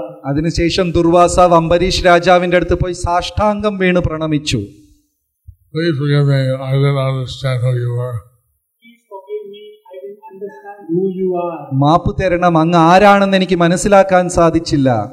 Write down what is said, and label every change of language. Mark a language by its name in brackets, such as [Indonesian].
[Malayalam] അതിനുശേഷം ദുർവാസാവ് അംബരീഷ് രാജാവിന്റെ അടുത്ത് പോയി സാഷ്ടാംഗം വീണ് പ്രണമിച്ചു. [English] Please forgive me, I will understand who you are. Please forgive me, I will understand [Malayalam] മാപ്പ് തരണം, അങ്ങ് ആരാണെന്ന് എനിക്ക് മനസ്സിലാക്കാൻ സാധിച്ചില്ല.